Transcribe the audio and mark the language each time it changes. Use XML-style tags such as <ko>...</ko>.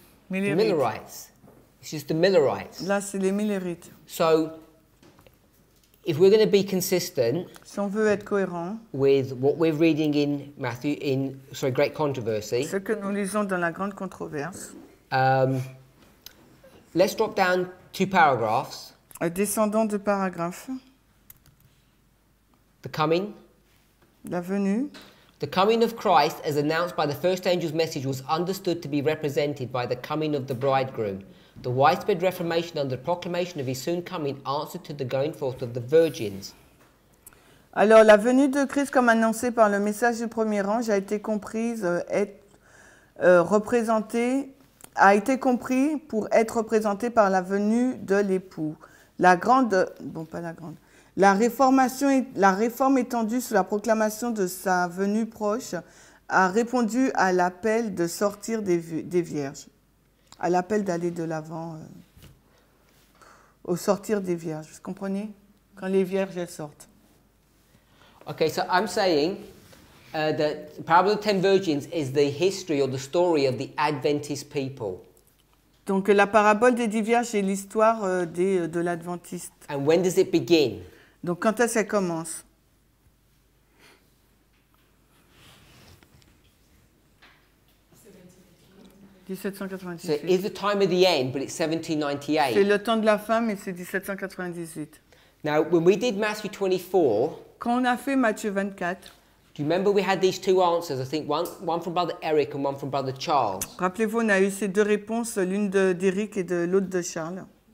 <en>Millerites. It's just the Millerites.</en> <fr>Là, c'est les Millerites.</fr> <en>So, if we're going to be consistent,</en> <fr>si on veut être cohérent,</fr> <en>with what we're reading in Matthew, Great Controversy,</en> <fr>ce que nous lisons dans la Grande Controverse,</fr> <en>let's drop down two paragraphs.</en> <fr>Descendons deux paragraphes.</fr> <en>The coming.</en> <fr>La venue.</fr> <en>The coming of Christ, as announced by the first angel's message, was understood to be represented by the coming of the bridegroom. The widespread reformation under the proclamation of his soon coming answered to the going forth of the virgins.</en> <fr>Alors, la venue de Christ, comme annoncée par le message du premier ange, a été comprise, pour être représentée par la venue de l'époux. La grande, bon, pas la grande, La réforme étendue sous la proclamation de sa venue proche a répondu à l'appel de sortir des vierges, à l'appel d'aller de l'avant, au sortir des vierges. Vous comprenez? Quand les vierges, elles sortent.</fr> <en>Okay, so I'm saying that the parable of the ten virgins is the history or the story of the Adventist people.</en> <fr>Donc la parabole des dix vierges est l'histoire de l'adventiste.</fr> <en>And when does it begin?</en> <fr>Donc quand est-ce qu'elle commence?</fr> <en>So it's the time of the end, but it's 1798.</en> <fr>C'est le temps de la fin, mais c'est 1798.</fr> <en>Now, when we did Matthew 24,</en> <fr>quand on a fait Matthieu 24,</fr> <en>do you remember we had these two answers? I think one from Brother Eric and one from Brother Charles.</en> <fr>Rappelez-vous, on a eu ces deux réponses, l'une d'Eric et de l'autre de Charles.</fr>